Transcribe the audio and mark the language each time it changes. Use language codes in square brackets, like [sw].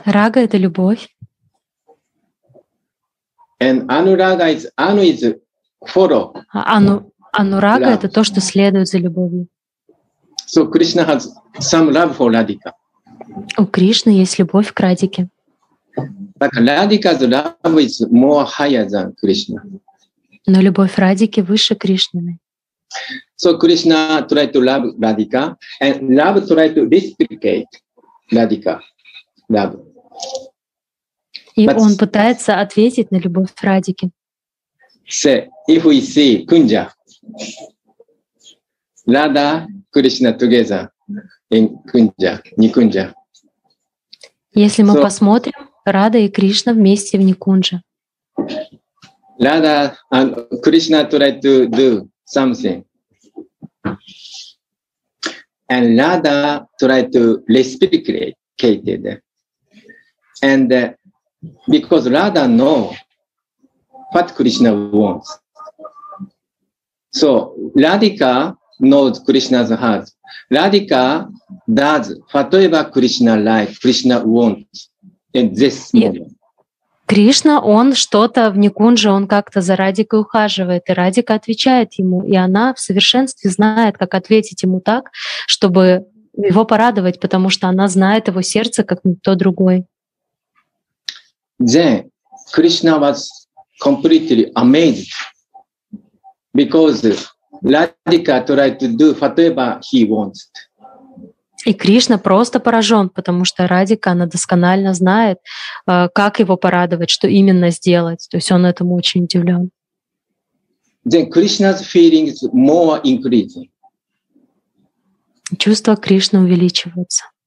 [ru] Рага — это любовь. [en] And anuraga is anu is follow. [ru] Anuraga — это то, что следует за любовью. [en] So Krishna has some love for Radhika. [ru] У Кришны есть любовь к Радике. [en] But Radhika's love is more higher than Krishna. [ru] Но любовь Радики выше Кришны. [en] So Krishna try to love Radhika, and love try to reciprocate Radhika love. [ru] И [en] but [ru] он пытается ответить на любовь Радики. [en] Say, if we see Kunja, Radha, Krishna together in Kunja, Nikunja. [ru] Если мы посмотрим Рада и Кришна вместе в Никунже. [en] Radha and Krishna try to do something, and Radha try to reciprocate it. And because Radha know what Krishna wants, so Radhika knows Krishna's heart. Radhika does whatever Krishna like, Krishna wants in this moment. Yeah. [ru] Кришна, он что-то в Никунже, он как-то за Радикой ухаживает, и Радика отвечает ему, и она в совершенстве знает, как ответить ему так, чтобы его порадовать, потому что она знает его сердце, как никто другой. [en] Then Krishna was completely amazed because Radhika tried to do whatever he wants. [ru] И Кришна просто поражен, потому что Радика, она досконально знает, как его порадовать, что именно сделать. То есть он этому очень удивлен. [en] Then Krishna's feelings more increasing. [ru] Чувства Кришны увеличиваются.